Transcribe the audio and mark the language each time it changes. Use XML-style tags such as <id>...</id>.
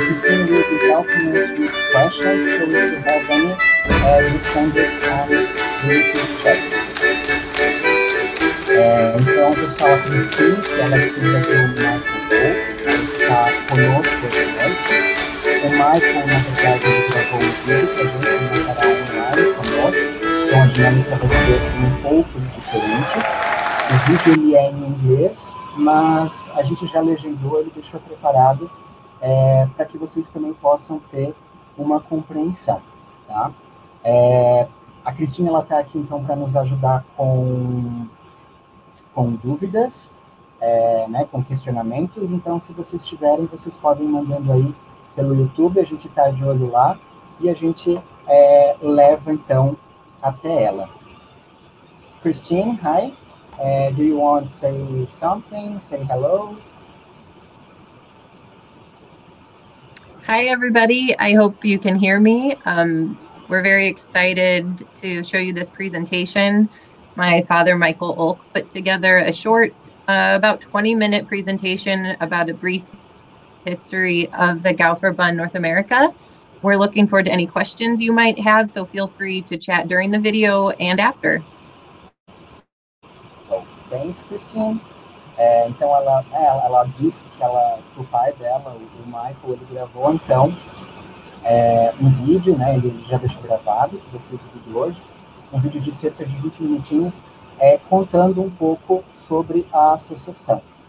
<en>Christine will be helping us with questions, so if you have any, you send it on the chat.</en> <pt>Então, pessoal, aqui no Steam, que ela fica com o Michael, que está conosco hoje, né? O Michael, na verdade, ele gravou um vídeo que a gente montará online conosco, então a dinâmica vai ser um pouco diferente. O vídeo, ele é em inglês, mas a gente já legendou, ele deixou preparado para que vocês também possam ter uma compreensão, tá? A Cristina, ela está aqui, então, para nos ajudar com dúvidas, né, com questionamentos. Então, se vocês tiverem, vocês podem ir mandando aí pelo YouTube, a gente está de olho lá, e a gente leva, então, até ela.</pt> <en>Christine, hi. Do you want to say something, say hello? Hi, everybody. I hope you can hear me. We're very excited to show you this presentation. My father, Michael Olk, put together a short, about 20-minute presentation about a brief history of the Gauverband North America. We're looking forward to any questions you might have, so feel free to chat during the video and after. So, thanks, Christine.</en> <pt>Então, ela disse que ela, o pai dela, o Michael, ele gravou, então, vídeo, né, ele já deixou gravado, que vocês viram hoje. Um vídeo de cerca de 20 minutinhos, contando um pouco sobre a associação.</pt>